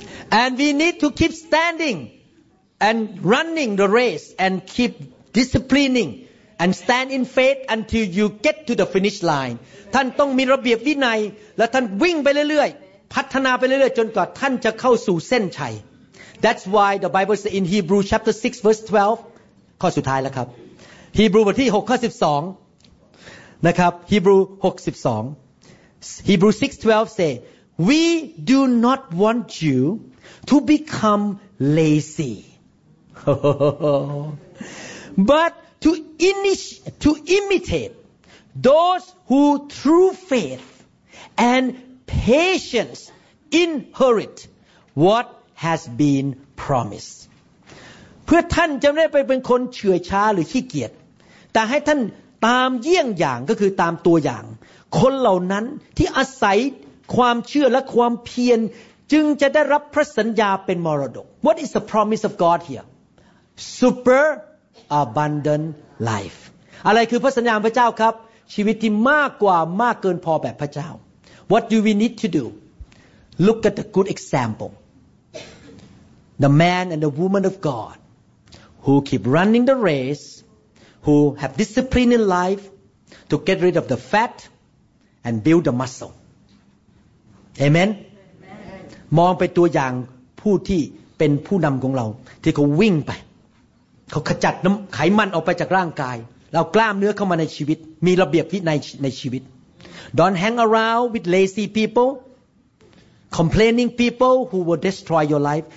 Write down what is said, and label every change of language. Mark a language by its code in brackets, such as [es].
[en] And we need to keep standing and running the race and keep disciplining and stand in faith until you get to the finish line [th] ท่านต้องมีระเบียบวินัยและท่านวิ่งไปเรื่อยๆพัฒนาไปเรื่อยๆจนกว่าท่านจะเข้าสู่เส้นชัย [en] That's why the Bible says in Hebrew chapter 6 verse 12 [th] ข้อสุดท้ายแล้วครับฮีบรูบทที่6ข้อ12นะครับฮีบรู6 12 [en] Hebrew 6 12 say we do not want you to become lazy but to imitate those who through faith andPatience inherit what has been promised. [th] เพื่อท่านจะไม่ไปเป็นคนเฉื่อยช้าหรือขี้เกียจแต่ให้ท่านตามเยี่ยงอย่างก็คือตามตัวอย่างคนเหล่านั้นที่อาศัยความเชื่อและความเพียรจึงจะได้รับพระสัญญาเป็นมรดก [en] What is the promise of God here? Super abundant life. [th] อะไรคือพระสัญญาของพระเจ้าครับชีวิตที่มากกว่ามากเกินพอแบบพระเจ้า [en] What do we need to do? Look at the good example. The man and the woman of God who keep running the race, who have discipline in life to get rid of the fat and build the muscle. Amen? Amen. [th] มองไปตัวอย่างผู้ที่เป็นผู้นำของเราที่เขาวิ่งไปเขาขจัดน้ำไขมันออกไปจากร่างกายเรากล้ามเนื้อเข้ามาในชีวิตมีระเบียบวินัยในชีวิต [en] Don't hang around with lazy people, complaining people who will destroy your life.